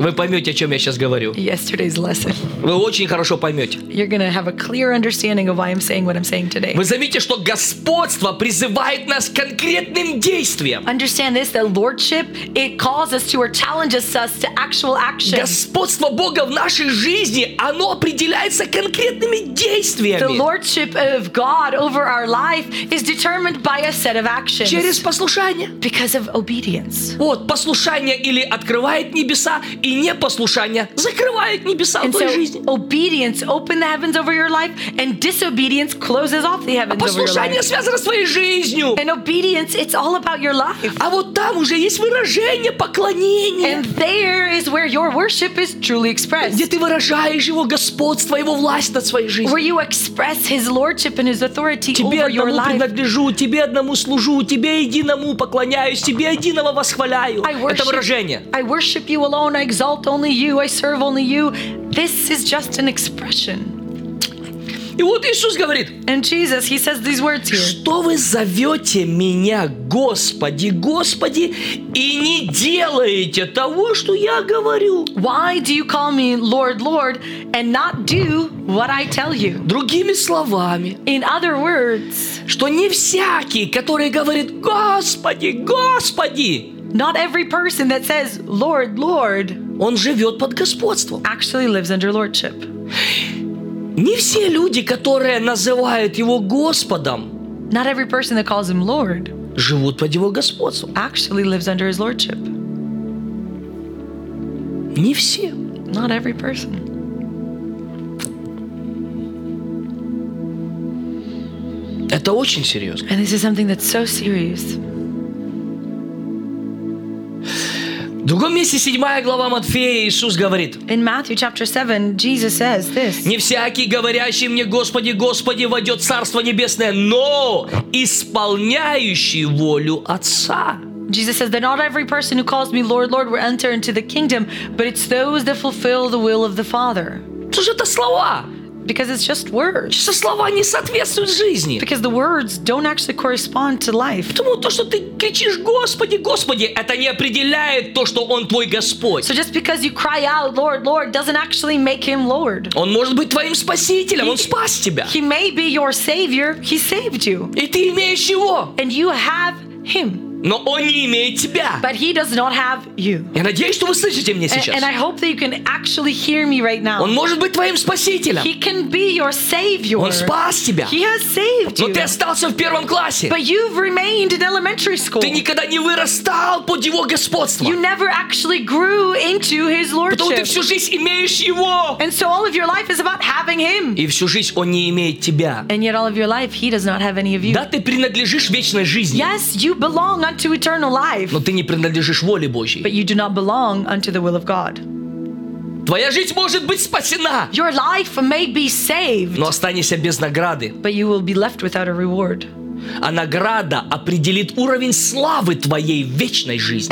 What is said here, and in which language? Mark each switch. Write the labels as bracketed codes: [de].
[ru] Вы поймете, о чем я сейчас говорю. [en] Yesterday's lesson. [ru] Вы очень хорошо поймете. [en] You're gonna have a clear understanding of why I'm saying what I'm saying today. [ru] Вы заметите, что господство призывает нас к конкретным действиям. [en] Understand this, that lordship, it calls us to or challenges us to actual physical action. [ru] Господство Бога в нашей жизни, оно определяется конкретными действиями. [en] The lordship of God over our life is determined by a set of actions. [ru] Через послушание. [en] Because of obedience. [ru] Вот, послушание или открывает небеса, и непослушание закрывает небеса в твоей жизни. [en] And so obedience opens the heavens over your life, and disobedience closes off the heavens over your life. [ru] Послушание связано с твоей жизнью. [en] And obedience, it's all about your life. [ru] А вот там уже есть выражение поклонения. [en] And there is where your worship is truly expressed. [ru] Где ты выражаешь его господство, его власть над своей жизнью. [en] Where you express his lordship and his authority [ru] тебе [en] over your life. [ru] Тебе одному принадлежу, тебе одному служу, тебе единому поклоняюсь, тебе единого восхваляю. Это выражение. [en] I worship you alone, I exalt only you, I serve only you. This is just an expression. [ru] И вот Иисус говорит. [en] And Jesus, he says these words here. [ru] Что вы зовете меня, Господи, Господи, и не делаете того, что я говорю? [en] Why do you call me Lord, Lord, and not do what I tell you? [ru] Другими словами. [en] In other words. [ru] Что не всякий, который говорит, Господи, Господи. [en] Not every person that says, Lord, Lord. [ru] Он живет под господством. [en] Actually lives under lordship. [ru] Не все люди, которые называют его Господом, [en] not every person that calls him Lord, [ru] живут под его господством. [en] Actually lives under his lordship. [ru] Не все. [en] Not every person. [ru] Это очень серьезно. [en] And this is something that's so serious. [ru] В другом месте, 7 глава Матфея, Иисус говорит. [en] In Matthew chapter 7, Jesus says this. [ru] Не всякий, говорящий мне, Господи, Господи, войдет в Царство Небесное, но исполняющий волю Отца. [en] Jesus says that not every person who calls me Lord, Lord will enter into the kingdom, but it's those that fulfill the will of the Father. [ru] Что же это слова? [en] Because it's just words. [ru] Что слова не соответствуют жизни. [en] Because the words don't actually correspond to life. [ru] Потому то, что ты кричишь Господи, Господи, это не определяет то, что Он твой Господь. [en] So just because you cry out, Lord, Lord, doesn't actually make Him Lord. [ru] Он может быть твоим спасителем, Он спас тебя. [en] He may be your Savior, He saved you. [ru] И ты имеешь Его. [en] And you have Him. [ru] Но Он не имеет тебя. [en] But He does not have you. [ru] Я надеюсь, что вы слышите меня сейчас. [en] And I hope that you can actually hear me right now. [ru] Он может быть твоим спасителем. [en] He can be your savior. [ru] Он спас тебя. [en] He has saved you. [ru] Но ты остался в первом классе. [en] But you've remained in elementary school. [ru] Ты никогда не вырастал под Его господство. [en] You never actually grew into His lordship. [ru] Потому ты всю жизнь имеешь Его. [en] And so all of your life is about having Him. [ru] И всю жизнь Он не имеет тебя. [en] And yet all of your life He does not have any of you. [ru] Да, ты принадлежишь вечной жизни. [en] Yes, you belong unto eternal life. [ru] Но ты не принадлежишь воле Божьей. [en] But you do not belong unto the will of God. [ru] Твоя жизнь может быть спасена. [en] Your life may be saved. [ru] Но останешься без награды. [en] But you will be left without a reward. [ru] А награда определит уровень славы твоей вечной жизни.